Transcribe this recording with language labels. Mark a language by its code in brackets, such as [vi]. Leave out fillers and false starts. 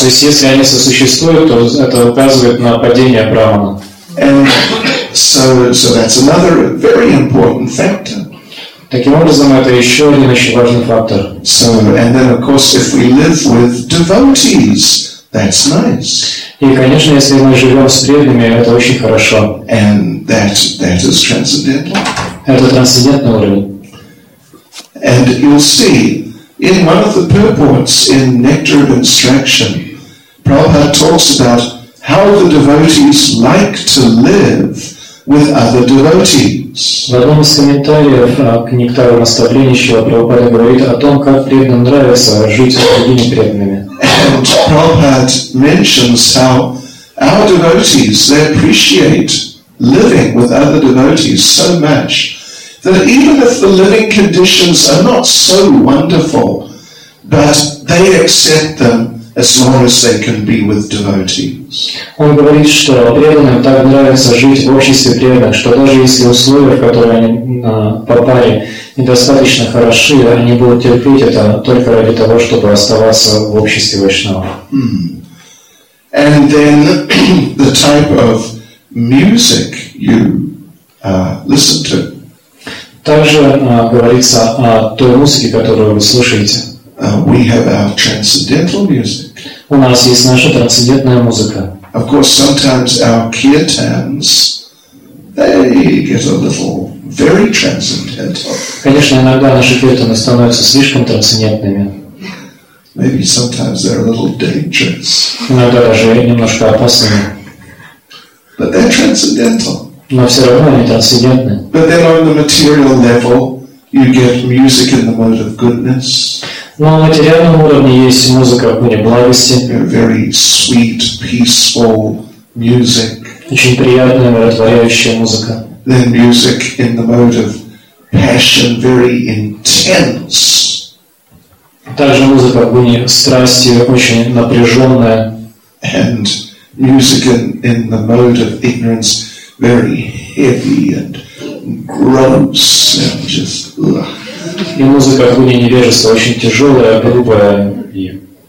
[ru] то есть если они сосуществуют, то это указывает на падение брахмана. [en] And so that's another very important factor. [ru] Таким образом, это еще один очень важный фактор. [en] So and then of course, if we live with devotees, that's nice. [ru] И, конечно, если мы живем с преданными, это очень хорошо. [en] And that is transcendental. [ru] Это трансцендентный уровень. [en] And you'll see in one of the purports in Nectar of Instruction, Prabhupada talks about how the devotees like to live with other devotees. [ru] В одном из комментариев к Нектару Наставления Прабхупада говорит о том, как преданным нравится жить с другими преданными. [en] And Prabhupada mentions how our devotees, they appreciate living with other devotees so much that even if the living conditions are not so wonderful, but they accept them as long as they can be with devotees. [ru] Он говорит, что преданным так нравится жить в обществе преданных, что даже если условия, в которые они попали, недостаточно хороши, они будут терпеть это только ради того, чтобы оставаться в обществе вайшнава. [en] And then the type of music you listen to. [ru] Также говорится о той музыке, которую вы слушаете. [en] We have our transcendental music. [ru] У нас есть наша трансцендентная музыка. [en] Of course, sometimes our kirtans, they get a little very transcendental. [ru] Конечно, иногда наши киртаны становятся слишком трансцендентными. [en] Maybe sometimes they're a little dangerous. [ru] Иногда даже немножко опасными. [en] But they're transcendental. [ru] Но все равно они трансцендентны. [en] But then on the material level, you get music in the mode of goodness. [ru] Но на материальном уровне есть музыка в мире благости. [en] Very sweet, peaceful music. [ru] Очень приятная, умиротворяющая музыка. [en] Then music in the mode of passion, very intense. [ru] Также музыка в мире страсти, очень напряженная. [en] And music in the mode of ignorance, very heavy and gross and just. [ru] И музыка в гуне невежества очень тяжелая, грубая и.